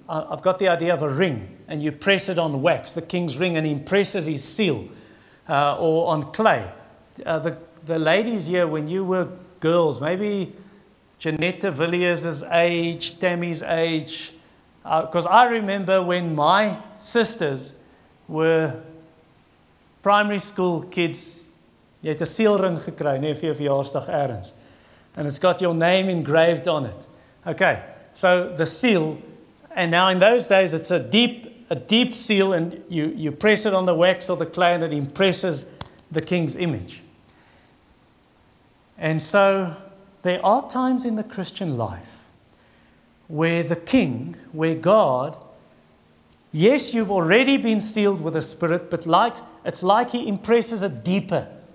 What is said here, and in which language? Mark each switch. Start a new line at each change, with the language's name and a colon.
English: I've got the idea of a ring, and you press it on wax, the king's ring, and he impresses his seal, or on clay. The ladies here, when you were girls, maybe Jeanette Villiers' age, Tammy's age, because I remember when my sisters were primary school kids,
Afrikaans: Jy het 'n seelring gekry, nie vir jou verjaarsdag ergens.
English: And it's got your name engraved on it. Okay, so the seal, and now in those days it's a deep seal, and you press it on the wax or the clay, and it impresses the king's image. And so there are times in the Christian life where the king, where God, yes, you've already been sealed with the Spirit, but it's like he impresses it deeper.